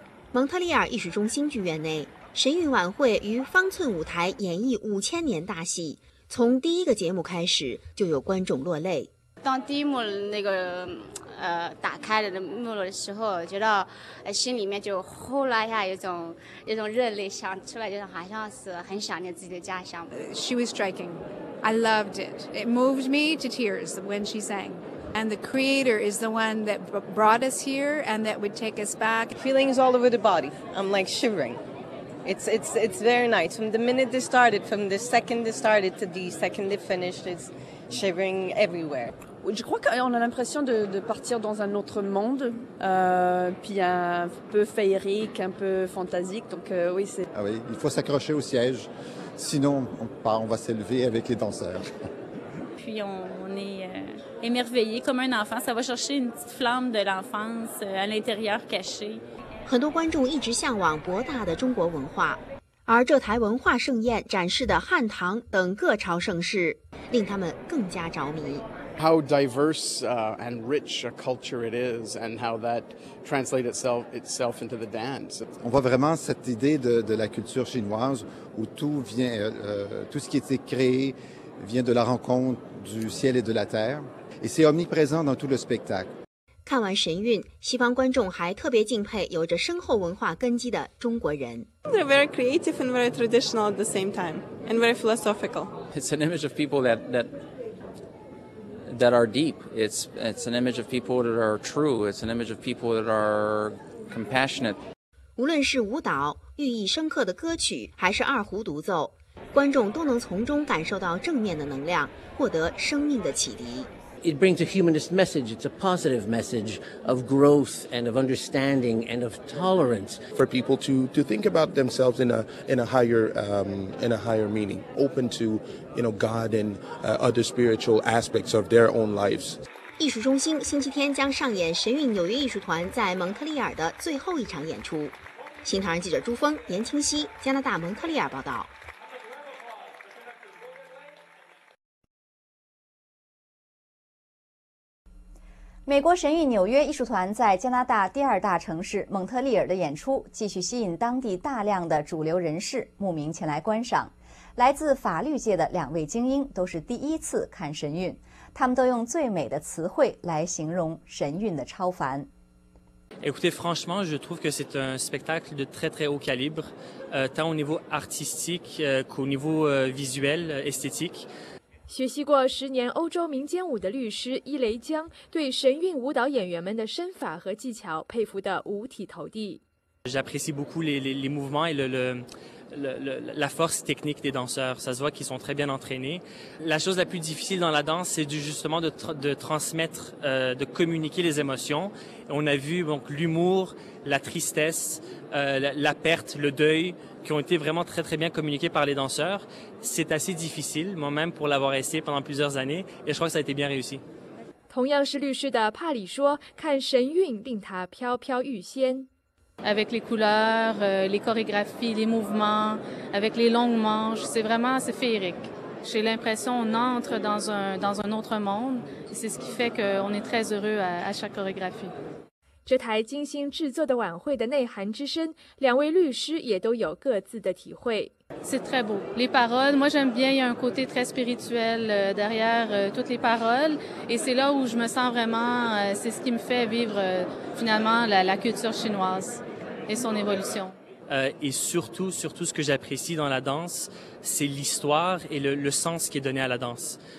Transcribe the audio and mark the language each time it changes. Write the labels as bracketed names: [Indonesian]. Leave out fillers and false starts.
[Chinese] 蒙特利尔艺术中心剧院内，神韵晚会于方寸舞台演绎5000年大戏，从第一个节目开始就有观众落泪。当第一幕那个打开的幕落的时候，觉得心里面就呼啦一下一种热泪想出来，就是好像是很想念自己的家乡。 [English] She was striking. I loved it. It moved me to tears when she sang. And the creator is the one that brought us here and that would take us back. Feelings all over the body. I'm like shivering. It's very nice. From the minute they started, from the second they started to the second they finished, it's shivering everywhere. [French] Je crois qu'on a l'impression de partir dans un autre monde, puis un peu féerique, un peu fantasique. Donc, oui, c'est... Ah oui, il faut s'accrocher au siège, sinon on va s'élever avec les danseurs. Puis on est émerveillé comme un enfant. Ça va chercher une petite flamme de l'enfance à l'intérieur cachée. [Chinese] 很多观众一直向往博大的中国文化，而这台文化盛宴展示的汉唐等各朝盛世，令他们更加着迷。 [English] How diverse and rich a culture it is, and how that translates itself into the dance. [French] On voit vraiment cette idée de la culture chinoise où tout ce qui a été créé vient de la rencontre du ciel et de la terre, et c'est omniprésent dans tout le spectacle. [Chinese] 看完神韵，西方观众还特别敬佩有着深厚文化根基的中国人。 [English] They're very creative and very traditional at the same time, and very philosophical. It's an image of people that are deep. It's an image of people that are true. It's an image of people that are compassionate. [Chinese] 无论是舞蹈、寓意深刻的歌曲，还是二胡独奏，观众都能从中感受到正面的能量，获得生命的启迪。 [English] It brings a humanist message. It's a positive message of growth and of understanding and of tolerance. For people to think about themselves in a higher meaning, open to, you know, God and other spiritual aspects of their own lives. [Chinese] 艺术中心星期天将上演神韵纽约艺术团在蒙特利尔的最后一场演出。新唐人记者朱峰、严清溪，加拿大蒙特利尔报道。美国神韵纽约艺术团在加拿大第二大城市蒙特利尔的演出继续吸引当地大量的主流人士慕名前来观赏。来自法律界的两位精英都是第一次看神韵，他们都用最美的词汇来形容神韵的超凡。 [French] Écoutez, franchement, je trouve que c'est un spectacle de très très haut calibre, tant au niveau artistique qu'au niveau visuel, esthétique. [Chinese] 学习过10年欧洲民间舞的律师伊雷江对神韵舞蹈演员们的身法和技巧佩服得五体投地。 [French] J'apprécie beaucoup les mouvements et la force technique des danseurs. Ça se voit qu'ils sont très bien entraînés. La chose la plus difficile dans la danse, c'est justement de transmettre, de communiquer les émotions. On a vu donc l'humour, la tristesse, la perte, le deuil. Qui ont été vraiment très très bien communiqués par les danseurs. C'est assez difficile, moi-même, pour l'avoir essayé pendant plusieurs années, et je crois que ça a été bien réussi. [Chinese] 同样是律师的帕里说，看神韵令他飘飘欲仙。 [French] Avec les couleurs, les chorégraphies, les mouvements, avec les longues manches, c'est vraiment assez féerique. J'ai l'impression qu'on entre dans un autre monde, et c'est ce qui fait qu'on est très heureux à chaque chorégraphie. [Chinese] 这台精心制作的晚会的内涵之深，两位律师也都有各自的体会。 [French] C'est très beau. Les paroles, moi j'aime bien, il y a un côté très spirituel derrière toutes les paroles. Et c'est là où je me sens vraiment, c'est ce qui me fait vivre finalement la culture chinoise et son évolution. Et surtout ce que j'apprécie dans la danse, c'est l'histoire et le sens qui est donné à la danse.